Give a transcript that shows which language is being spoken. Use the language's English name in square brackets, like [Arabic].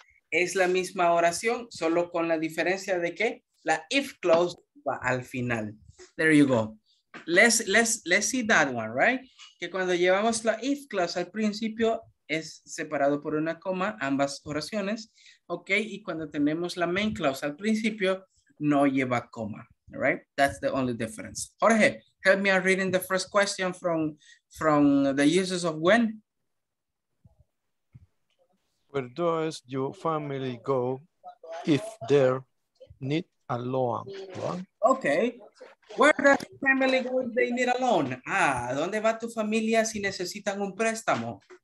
[Spanish] Es la misma oración, solo con la diferencia de que la if clause va al final. [English] There you go. Let's see that one, right? [Spanish] Que cuando llevamos la if clause al principio, es separado por una coma, ambas oraciones, ok? Y cuando tenemos la main clause al principio, no lleva coma, right? [English] That's the only difference. Jorge, help me out reading the first question from the uses of when. Where does your family go if they need a loan? Okay. Where does family go if they need a loan? [Spanish] ¿Dónde va tu familia si necesitan un préstamo?